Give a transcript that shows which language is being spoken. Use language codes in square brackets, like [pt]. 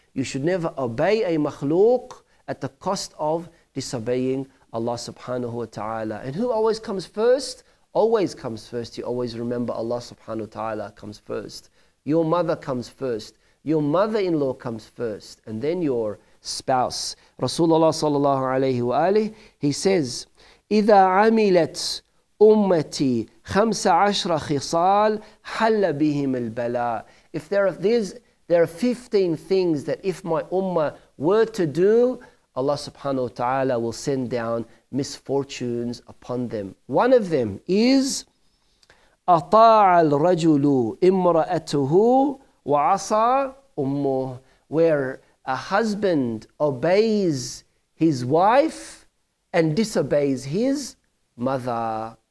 [en] You should never obey a makhluq at the cost of disobeying Allah subhanahu wa ta'ala. And who always comes first? Always comes first. You always remember Allah subhanahu wa ta'ala comes first. Your mother comes first. Your mother-in-law comes first. And then your spouse. [ar] Rasulullah sallallahu alayhi wa alihi, [en] he says, [ar] إِذَا عَمِلَتْ أُمَّتِي خَمْسَ عَشْرَ خِصَالٍ حَلَّ بِهِمِ الْبَلَاءِ. [en] If there are 15 things that if my ummah were to do, Allah subhanahu wa ta'ala will send down misfortunes upon them. One of them is, [ar] أَطَاعَ الْرَجُلُ إِمْرَأَتُهُ وَعَصَى أُمُّهُ, [en] where a husband obeys his wife and disobeys his mother.